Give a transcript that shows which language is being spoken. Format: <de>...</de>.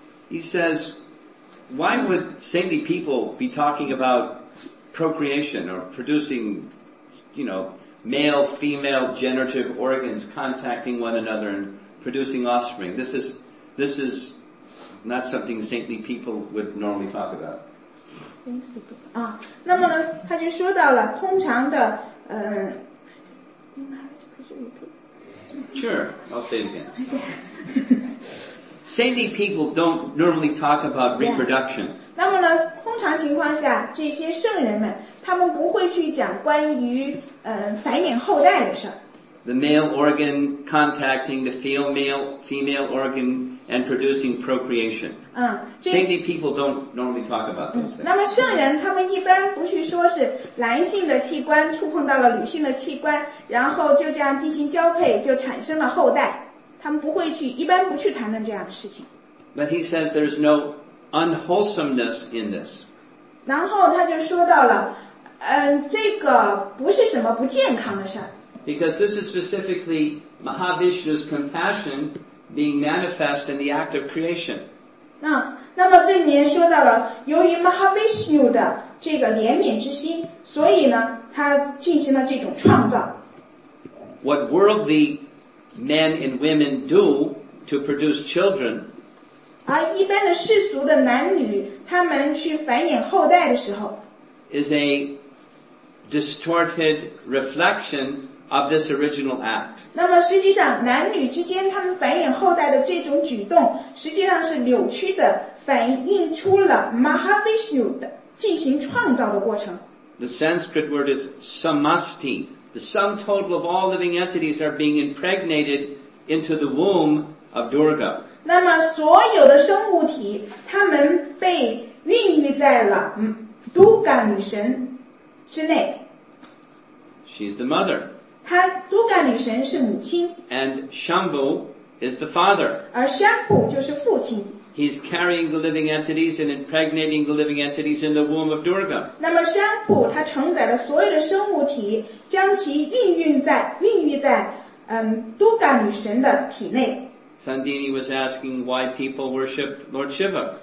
<en>He says,Why would saintly people be talking about procreation or producing, you know, male, female generative organs contacting one another and producing offspring? This is not something saintly people would normally talk about. Saintly people.</en> <zh>那么呢，他就说到了通常的</zh> <en>Sure, I'll say it again. Saintly people don't normally talk about reproduction.</en> <zh>那么呢，通常情况下，这些圣人们，他们不会去讲关于繁衍后代的事。</zh> <en>The male organ contacting the female organ and producing procreation. Saintly people don't normally talk about those things.</en> <zh>那么圣人他们一般不去说是男性的器官触碰到了女性的器官，然后就这样进行交配，就产生了后代。他们不会去，一般不去谈论这样的事情。</zh> <en>But he says there's no unwholesomeness in this.</en> <zh>然后他就说到了，这个不是什么不健康的事儿。</zh> <en>Because this is specifically Mahavishnu's compassion being manifest in the act of creation.</en> <zh>那么这里面说到了，由于 Mahavishnu 的这个怜悯之心，所以呢，他进行了这种创造。</zh> <en>What worldly men and women do to produce children.</en> <zh>而一般的世俗的男女，他们去繁衍后代的时候</zh> <en>，is a distorted reflection of this original act.</en> <zh>那么实际上，男女之间他们繁衍后代的这种举动，实际上是扭曲的，反映出了 Mahavishnu 的进行创造的过程。</zh> <en>The Sanskrit word is samasti. The sum total of all living entities are being impregnated into the womb of Durga.</en> <zh>那么所有的生物体，它们被孕育在了Durga 女神之内。</zh> <en>She's the mother.</en> <zh>她 Durga 女神是母亲。</zh> <en>And Shambhu is the father.</en> <zh>而 Shambhu 就是父亲。</zh> <en>He's carrying the living entities and impregnating the living entities in the womb of Durga.</en> <zh>那么山普它承载了所有的生物体，将其孕育在Durga 女神的体内。</zh> <en>Sandini was asking why people worship Lord Shiva.</en>